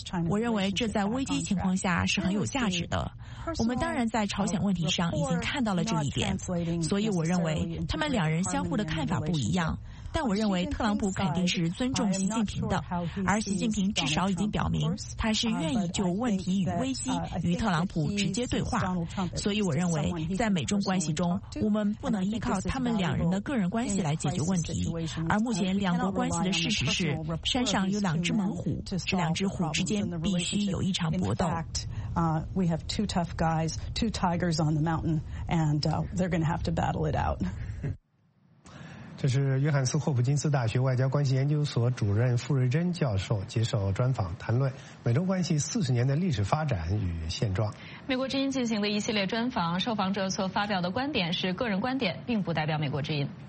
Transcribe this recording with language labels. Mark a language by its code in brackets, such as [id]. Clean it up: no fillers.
[zh] 我认为这在危机情况下是很有价值的。我们当然在朝鲜问题上已经看到了这一点，所以我认为他们两人相互的看法不一样，但我认为特朗普肯定是尊重习近平的，而习近平至少已经表明他是愿意就问题与危机与特朗普直接对话。所以我认为在美中关系中，我们不能依靠他们两人的个人关系来解决问题，而目前两国关系的事实是山上有两只猛虎，这两只虎之间必须有一场搏斗。 [en] We have two tough guys, two tigers on the mountain, and they're going to have to battle it out. [zh] 这是约翰斯霍普金斯大学外交关系研究所主任傅瑞珍教授接受专访谈论美中关系40年的历史发展与现状。美国之音进行的一系列专访，受访者所发表的观点是个人观点，并不代表美国之音。